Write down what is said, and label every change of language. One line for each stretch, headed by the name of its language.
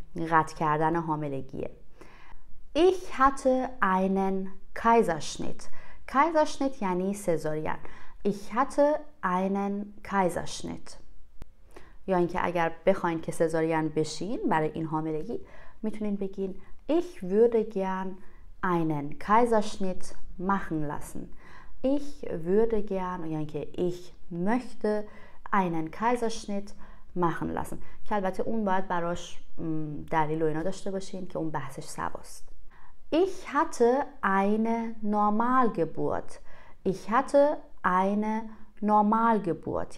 Persian: قطع کردن حاملگیه
German: Ich hatte einen Kaiserschnitt
Persian: Kaiserschnitt یعنی سزارین Ich hatte einen Kaiserschnitt یا اینکه اگر بخواین که سزارین بشین برای این حاملگی میتونین بگین
German: Ich würde gern einen Kaiserschnitt machen lassen. Ich würde gern, ich möchte einen Kaiserschnitt machen lassen.
Persian: که البته اون باید براش دلیل و اینا داشته باشین که اون بحثش سواست.
German: Ich hatte eine Normalgeburt. Ich hatte eine Normalgeburt.